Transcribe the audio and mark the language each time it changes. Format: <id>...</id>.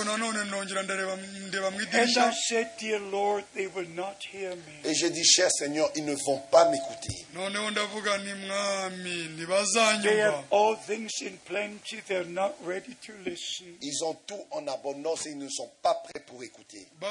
<en>And I said, dear Lord, they will not hear me.</en> <fr>Et j'ai dit, cher Seigneur, ils ne vont pas m'écouter.</fr> <en>They have all things in plenty, they are not ready to listen.</en> <fr>Ils ont tout en abondance et ils ne sont pas prêts pour écouter.</fr>